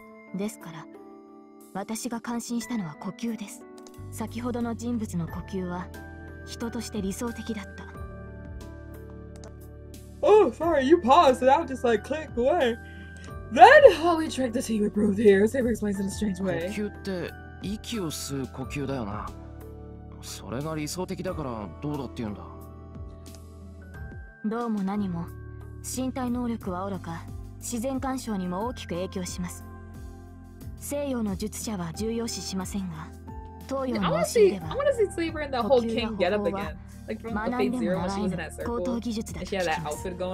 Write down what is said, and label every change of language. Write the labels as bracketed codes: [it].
[ja] ですから、私が関心したのは呼吸です。先ほどの人物の呼吸は人として理想的だった。Oh, [en] sorry, you paused, and I'm just like click away. Then how we tricked the secret proof here? Saber explains in a strange way. [ja] 呼吸って息を吸う呼吸だよな。それが理想的だからどうだって言うんだ。どうも何も身体能力はおろか自然干渉にも大きく影響します。西洋の術者は重要視しませんが、東洋の魔神では、学んでもらえない高等技術だと聞きます。